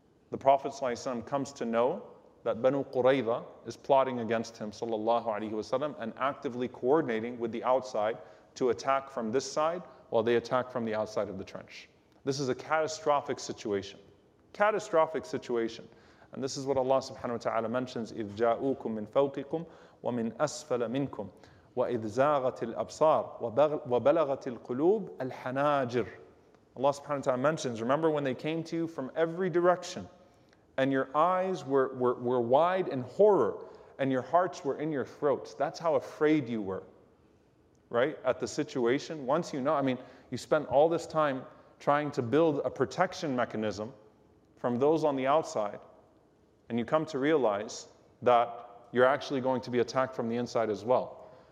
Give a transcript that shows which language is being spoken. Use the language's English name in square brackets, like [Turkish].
[English] The Prophet ﷺ comes to know that Banu Qurayza is plotting against him ﷺ, and actively coordinating with the outside to attack from this side while they attack from the outside of the trench. This is a catastrophic situation. Catastrophic situation. And this is what Allah subhanahu wa ta'ala mentions, [Arabic] إِذْ جَاءُوكُمْ مِنْ فَوْقِكُمْ وَمِنْ أَسْفَلَ مِنْكُمْ وَإِذْ زَاغَتِ الْأَبْصَارِ وَبَلَغَتِ الْقُلُوبِ الْحَنَاجِرِ. [English] Allah subhanahu wa ta'ala mentions, remember when they came to you from every direction and your eyes were wide in horror and your hearts were in your throats. That's how afraid you were. right, at the situation. Once you know, I mean, you spent all this time trying to build a protection mechanism from those on the outside, and you come to realize that you're actually going to be attacked from the inside as well.